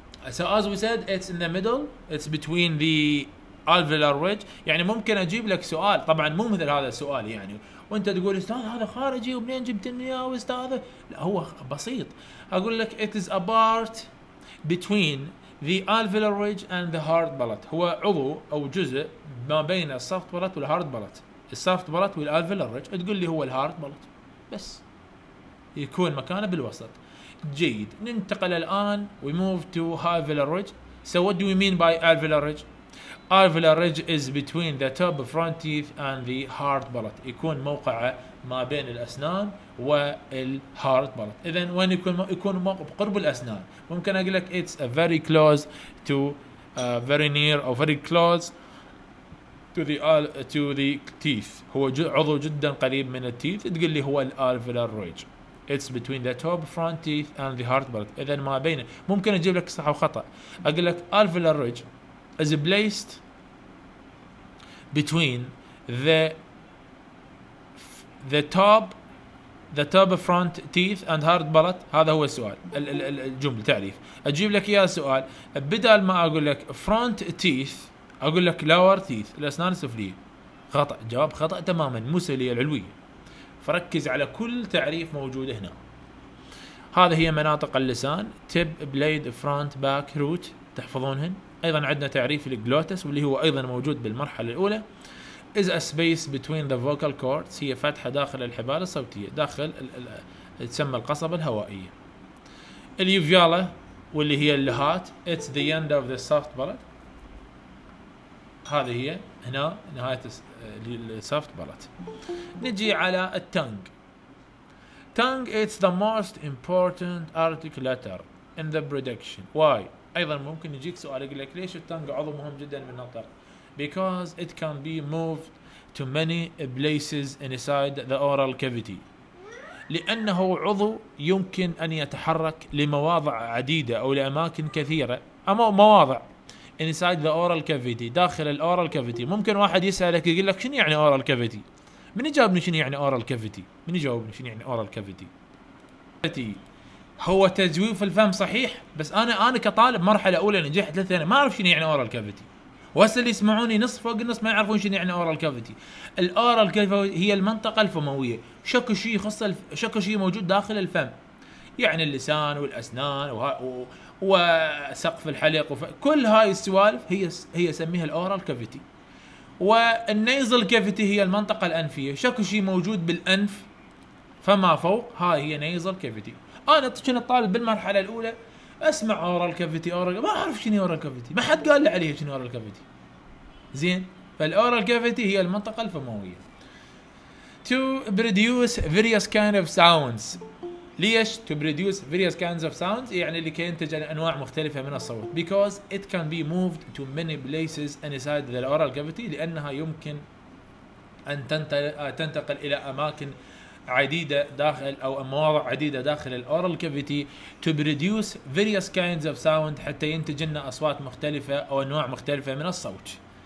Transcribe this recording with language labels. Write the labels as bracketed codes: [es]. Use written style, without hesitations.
[en] So as we said, it's in the middle. It's between the alveolar ridge. [ar] يعني ممكن أجيب لك سؤال, طبعاً مو مثل هذا السؤال يعني. وأنت تقول أستاذ هذا خارجي ومنين جبتني يا أستاذ؟ لا هو بسيط. أقول لك [en] it is a part between the alveolar ridge and the hard palate. [ar] هو عضو أو جزء ما بين soft palate والhard palate. [en] Soft palate والalveolar ridge. [ar] تقول لي هو الhard palate. بس يكون مكانه بالوسط. جيد, ننتقل الآن, [en] we move to alveolar ridge. So what do we mean by alveolar ridge? Alveolar ridge is between the top front teeth and the hard palate. [ar] يكون موقعه ما بين الأسنان والhard palate. إذن وين يكون موقعه؟ قرب الأسنان. ممكن أقول لك [en] it's a very close to very near or very close to the teeth. [ar] هو عضو جدا قريب من التيث. تقول لي هو alveolar ridge. [en] It's between the top front teeth and the hard palate. [ar] إذن ما بينه. ممكن أجيب لك صح وخطأ. أقول لك [en] alveolar ridge is placed between the top front teeth and hard palate. [ar] هذا هو السؤال. الجملة تعريف. أجيب لك يا سؤال. بدل ما أقول لك front teeth أقول لك lower teeth. الأسنان السفلية. خطأ. جواب خطأ تماماً. مو سفلية العلوية. فركز على كل تعريف موجود هنا. هذا هي مناطق اللسان. tip, blade, front, back, root. تحفظونهن. أيضا عندنا تعريف للجلوتس واللي هو أيضا موجود بالمرحلة الأولى. [en] is a space between the vocal cords. [ar] هي فتحة داخل الحبال الصوتية. داخل تسمى القصبة الهوائية. اليوفيالا واللي هي اللهات. [en] it's the end of the soft palate. [ar] هذه هي هنا نهاية للسافت بالات. نجي على التانغ. [en] Tongue it's the most important articulator in the production. [ar] why؟ أيضا ممكن يجيك سؤال يقول لك ليش التانغ عضو مهم جدا من النطق؟ [en] because it can be moved to many places inside the oral cavity. [ar] لأنه عضو يمكن أن يتحرك لمواضع عديدة أو لأماكن كثيرة أو مواضع. [en] inside the oral cavity, [ar] داخل ال [en] oral cavity. [ar] ممكن واحد يسألك يقول لك شنو يعني oral cavity؟ من يجاوبني شنو يعني oral cavity؟ من يجاوبني شنو يعني oral cavity؟ هو تجويف الفم صحيح, بس أنا كطالب مرحلة أولى نجحت ثلاثة أنا ما أعرف شنو يعني oral cavity. وهسه اللي يسمعوني نصف فوق النص ما يعرفون شنو يعني oral cavity. ال oral cavity هي المنطقة الفموية. شكل شيء موجود داخل الفم. يعني اللسان والأسنان وسقف الحلق كل هاي السوالف هي سميها الأورال كافيتي. والنيزل كافيتي هي المنطقة الأنفية. شكل شيء موجود بالأنف فما فوق هاي هي نيزل كافيتي. أنا كنت طالب بالمرحلة الأولى أسمع أورال كافيتي ما أعرف شنو أورال كافيتي. ما حد قال لي عليها شنو أورال كافيتي. زين, فالأورال كافيتي هي المنطقة الفموية. [en] To produce various kind of sounds. [ar] ليش؟ [en] to produce various kinds of sounds [ar] يعني لكي ينتج أنواع مختلفة من الصوت. [en] because it can be moved to many places inside the oral cavity. [ar] لأنها يمكن أن تنتقل إلى أماكن عديدة داخل أو مواضع عديدة داخل [en] the oral cavity to produce various kinds of sound [ar] حتى ينتج لنا أصوات مختلفة أو أنواع مختلفة من الصوت.